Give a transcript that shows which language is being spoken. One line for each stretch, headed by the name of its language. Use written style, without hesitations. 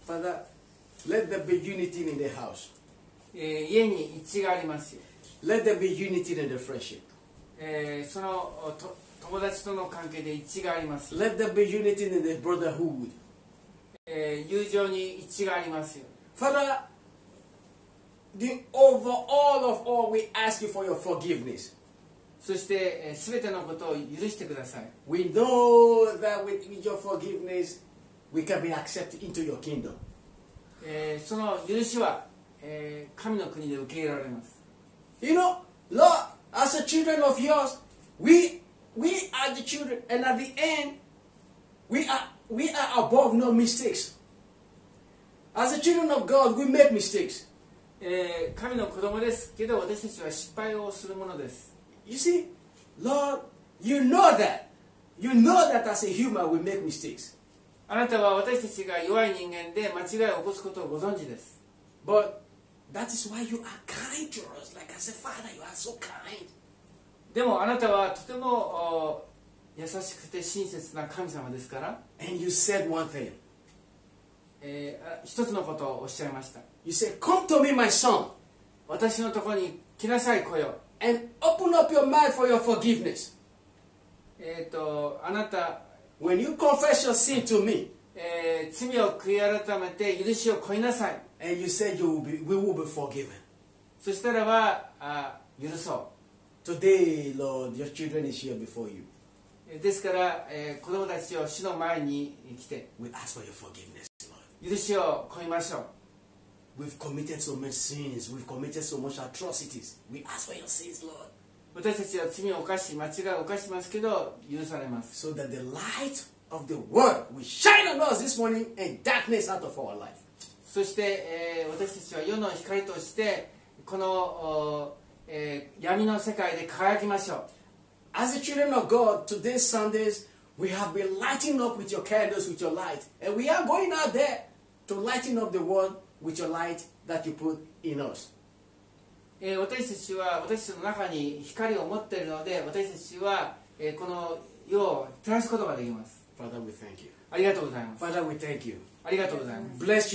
English: Father, let there be unity in the house.
Japanese: 家に一致がありますよ。
English: Let there be unity in the friendship.
Japanese: その友達との関係で一致があります。
English: Let there be unity in the brotherhood.
Japanese: 友情に一致がありますよ。
English: Father, the overall of all, we ask you for your forgiveness.
Japanese: そして、すべてのことを許してください。
English: We know that with your forgiveness, we can be accepted into your kingdom.
Japanese: その許しは、神の国で受け入れられます。
English: You know, Lord, as a children of yours, we are the children, and at the end, we are above no mistakes. As a children of God, we make mistakes.
Japanese: 神の子供ですけど、私たちは失敗をするものです。
English: You see, Lord, you know that. You know that as a human we make mistakes.
Japanese: あなたは私たちが弱い人間で間違いを起こすことをご存知です。
English: But that is why you are kind to us. Like as a father, you are so kind.
Japanese: でもあなたはとても優しくて親切な神様ですから。
English: And you said one thing.
Japanese: 一つのことをおっしゃいました。
English: You said, come to me, my son.
Japanese: 私のところに来なさい、子よ。
English: And open up your mind for your forgiveness.
Japanese: あなた、
English: when you confess your sin to me,
Japanese: 罪を悔い改めて許しを乞いなさい。
English: And you said you will be, we will be forgiven.
Japanese: そしたらば、許そう。
English: Today, Lord, your children is here before you.
Japanese: ですから、子供たちを主の前に来て。
English: We ask for your forgiveness, Lord.
Japanese: 許しを乞いましょう。
English: We've committed so many sins. We've committed so much atrocities. We ask for your sins, Lord.
Japanese: 私たちは罪を犯し、間違いを犯しますけど、許されます。
English: So that the light of the word will shine on us this morning and darkness out of our life.
Japanese: そして、私たちは世の光としてこの、闇の世界で輝きましょう。
English: As the children of God, today's Sundays, we have been lighting up with your candles, with your light, and we are going out there to lighten up the world with your light that you put in us.
Japanese: 私たちは私たちの中に光を持っているので、私たちは、この世を照らすことができます。
English: Father, we thank you.
Japanese: ありがとうございます。
English: Father, we thank you.
Japanese: ありがとうございます。